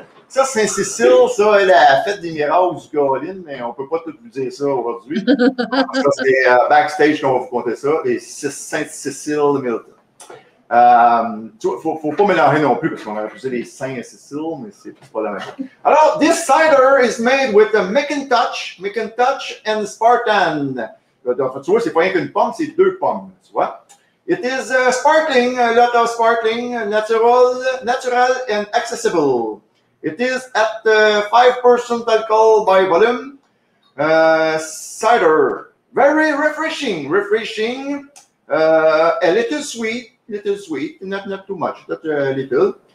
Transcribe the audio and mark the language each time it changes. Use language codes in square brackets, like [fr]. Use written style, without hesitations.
[fr] Ça, Saint-Cécile, ça, elle a fait des miracles du Colin, mais on ne peut pas tout vous dire ça aujourd'hui. Ça, c'est backstage qu'on va vous compter ça. Et Saint-Cécile de Milton. Faut pas mélanger non plus, parce qu'on a refusé les Saint-Cécile, mais c'est pas la même chose. [en] Alors, this cider is made with the McIntosh and Spartan. [fr] Donc, tu vois, c'est pas rien qu'une pomme, c'est deux pommes, tu vois. [en] It is sparkling, a lot of sparkling, natural and accessible. It is at 5% alcohol by volume. Cider, very refreshing. A little sweet, not too much, not a little.